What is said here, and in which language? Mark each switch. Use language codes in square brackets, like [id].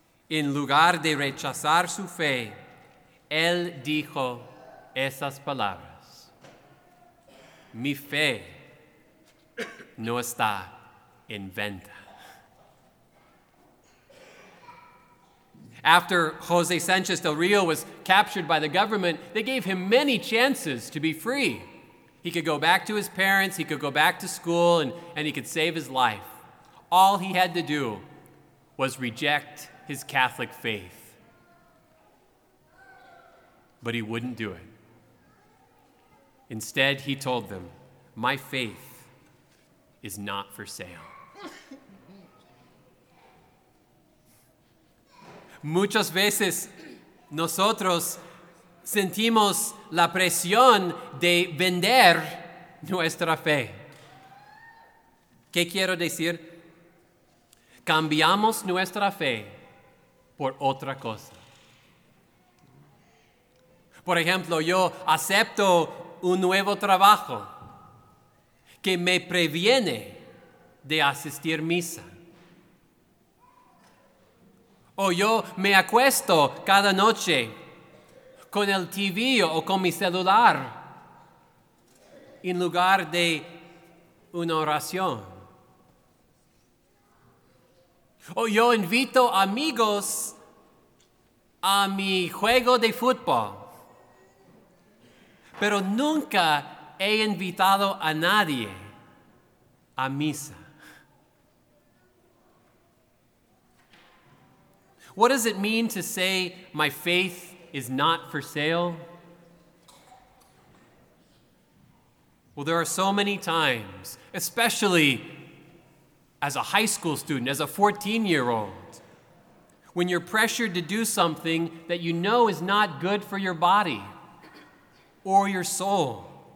[es] En lugar de rechazar su fe, él dijo esas palabras: mi fe no está en venta. [en] After José Sánchez del Río was captured by the government, they gave him many chances to be free. He could go back to his parents, he could go back to school, and he could save his life. All he had to do was reject his Catholic faith. But he wouldn't do it. Instead, he told them, "My faith is not for sale." [es] Muchas veces nosotros sentimos la presión de vender nuestra fe. ¿Qué quiero decir? Cambiamos nuestra fe por otra cosa. Por ejemplo, yo acepto un nuevo trabajo que me previene de asistir misa. O yo me acuesto cada noche con el TV o con mi celular en lugar de una oración. O yo invito amigos a mi juego de fútbol, pero nunca he invitado a nadie a misa. [en] What does it mean to say my faith is not for sale? Well, there are so many times, especially as a high school student, as a 14-year-old, when you're pressured to do something that you know is not good for your body or your soul.